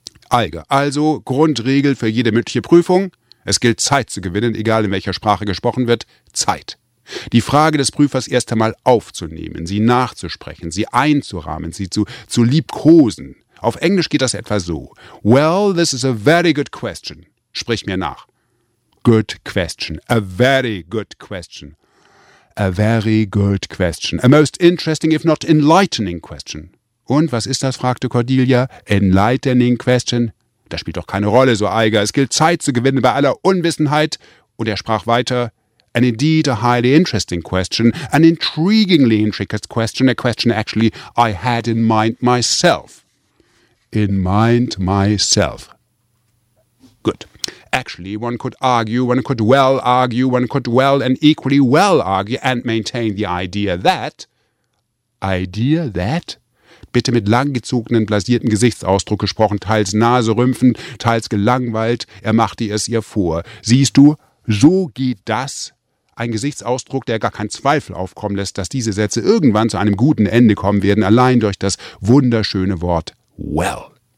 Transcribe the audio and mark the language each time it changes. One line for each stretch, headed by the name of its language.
German: Eiger, also Grundregel für jede mündliche Prüfung: Es gilt, Zeit zu gewinnen, egal in welcher Sprache gesprochen wird. Zeit. Die Frage des Prüfers erst einmal aufzunehmen, sie nachzusprechen, sie einzurahmen, sie zu liebkosen. Auf Englisch geht das etwa so.
English: Well, this is a very good question.
German: Sprich mir nach.
English: Good question. A very good question. A very good question. A most interesting, if not enlightening question.
German: Und was ist das, fragte Cordelia.
English: Enlightening question.
German: Das spielt doch keine Rolle, so Eiger. Es gilt, Zeit zu gewinnen bei aller Unwissenheit. Und er sprach weiter.
English: And indeed a highly interesting question. An intriguingly intricate question. A question actually I had in mind myself. In mind myself. Good. Actually, one could argue, one could well argue, one could well and equally well argue and maintain the idea that... Idea that...
German: Bitte mit langgezogenen, blasierten Gesichtsausdruck gesprochen, teils naserümpfend, teils gelangweilt, er machte es ihr vor. Siehst du, so geht das. Ein Gesichtsausdruck, der gar keinen Zweifel aufkommen lässt, dass diese Sätze irgendwann zu einem guten Ende kommen werden, allein durch das wunderschöne Wort well.